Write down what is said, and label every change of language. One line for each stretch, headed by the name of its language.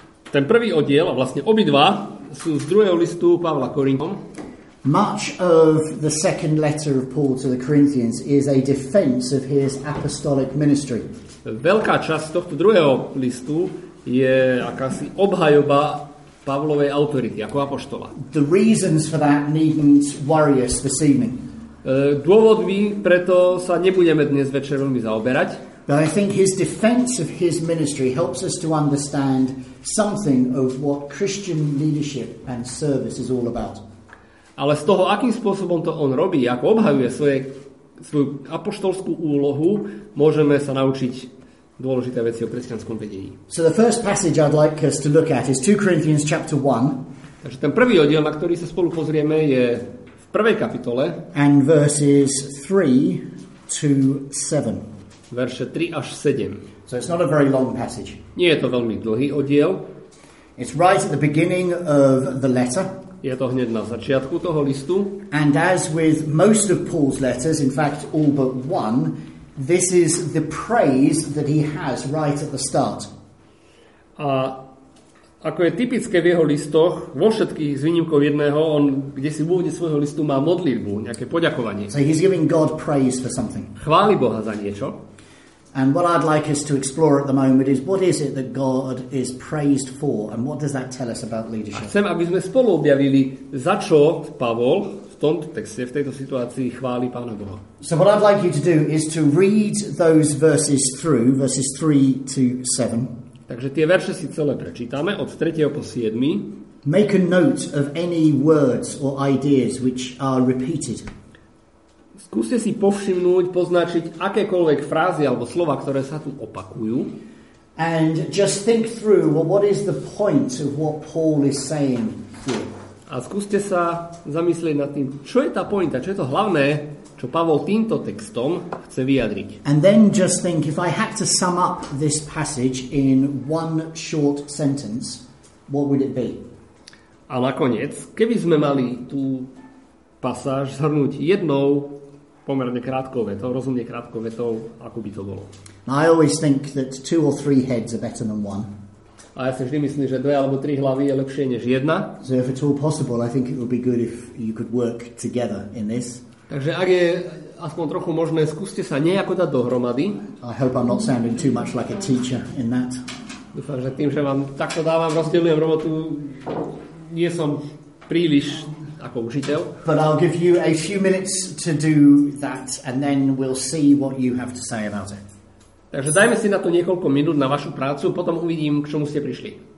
Slovak: Ten prvý oddiel, a vlastne obidva, sú z druhého listu Pavla Korinťanom.
English: Much of the second letter of Paul to the Corinthians is a defense of his apostolic ministry.
Slovak: Veľká časť tohto druhého listu je akási obhajoba Pavlovej autority ako apoštola.
English: The reasons for that needn't worry us this evening.
Slovak: Dôvodmi preto sa nebudeme dnes večer veľmi zaoberať.
English: But I think his defense of his ministry helps us to understand something of what Christian leadership and service is all about.
Slovak: Ale z toho, akým spôsobom to on robí, ako obhajuje svoju apoštolskú úlohu, môžeme sa naučiť dôležité veci o kresťanskom vedení.
English: So the first passage I'd like us to look at is 2 Corinthians chapter 1.
Slovak: Takže ten prvý oddiel, na ktorý sa spolu pozrieme, je v prvej kapitole.
English: And verses 3 to 7.
Slovak: Verše 3 až 7.
English: So it's not a very long passage.
Slovak: Nie je to veľmi dlhý oddiel.
English: It's right at the beginning of the letter.
Slovak: Je to hneď na začiatku toho listu.
English: And as with most of Paul's letters, in fact all but one, this is the praise that he has right at the start.
Slovak: A ako je typické v jeho listoch, vo všetkých s výnimkou jedného, on kde si v úvode svojho listu má modlitbu, nejaké poďakovanie.
English: So he's giving God praise for something.
Slovak: Chváli Boha za niečo.
English: And what I'd like us to explore at the moment is what is it that God is praised for and what does that tell us about leadership?
Slovak: A chcem, aby sme spolu objavili, za čo Pavol v tomto texte, v tejto situácii chváli Pána Boha.
English: So what I'd like you to do is to read those verses through, verses 3 to 7.
Slovak: Takže tie verše si celé prečítame, od 3. po 7.
English: Make a note of any words or ideas which are repeated.
Slovak: Skúste si povšimnúť, poznačiť akékoľvek frázy alebo slova, ktoré sa tu opakujú.
English: And just think through, well, what is the point of what Paul is saying here?
Slovak: A skúste sa zamyslieť nad tým, čo je tá pointa, čo je to hlavné, čo Pavol týmto textom chce vyjadriť.
English: And then just think, if I had to sum up this passage in one short sentence, what would it be?
Slovak: A nakoniec, keby sme mali tú pasáž zhrnúť jednou pomerne krátkou vetou, rozumne krátkou vetou, ako by to bolo.
English: Now I always think that two or three heads are better than one.
Slovak: A ja si vždy myslím, že dve alebo tri hlavy je lepšie než jedna.
English: So if it's all possible, I think it would be good if you could work together in this.
Slovak: Takže ak je aspoň trochu možné, skúste sa nejako dať dohromady.
English: I hope I'm not sounding too much like a teacher in that.
Slovak: Dúfam, že tým, že vám takto dávam, rozdielujem robotu, nie som príliš ako učiteľ.
English: But I'll give you a few minutes to do that and then we'll see what you have to say about it.
Slovak: Takže dajme si na to niekoľko minút na vašu prácu, potom uvidím, k čomu ste prišli.